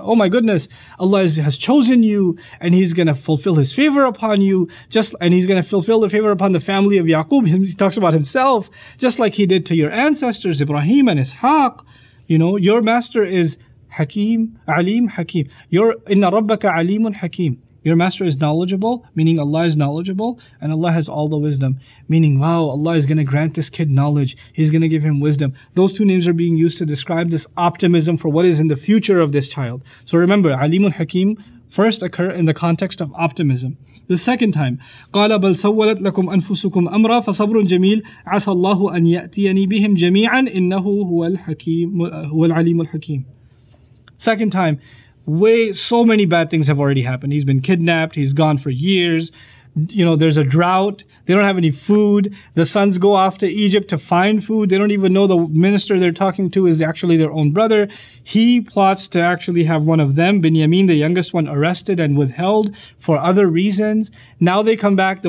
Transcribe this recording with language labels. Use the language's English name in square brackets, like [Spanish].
[English] Oh my goodness, Allah has chosen you and He's going to fulfill His favor upon you. And He's going to fulfill the favor upon the family of Yaqub. He talks about Himself, just like He did to your ancestors, Ibrahim and Ishaq. You know, your master is Hakim, Alim Hakim. [Arabic] Your إِنَّ رَبَّكَ عَلِيمٌ حَكِيمٌ. [English] Your master is knowledgeable, meaning Allah is knowledgeable, and Allah has all the wisdom, meaning, wow, Allah is going to grant this kid knowledge. He's going to give him wisdom. Those two names are being used to describe this optimism for what is in the future of this child. So remember, Alimun Hakim first occur in the context of optimism. The second time, [Arabic] قَالَ بَلْ سَوَّلَتْ لَكُمْ أَنفُسُكُمْ أَمْرًا فَصَبْرٌ جَمِيلٌ عَسَى اللَّهُ أَنْ يَأْتِيَنِي بِهِمْ جَمِيعًا إِنَّهُ هُوَ الْعَلِيمُ الْحَكِيمُ. [English] Second time, so many bad things have already happened. He's been kidnapped. He's gone for years. You know, there's a drought. They don't have any food. The sons go off to Egypt to find food. They don't even know the minister they're talking to is actually their own brother. He plots to actually have one of them, Binyamin, the youngest one, arrested and withheld for other reasons. Now they come back.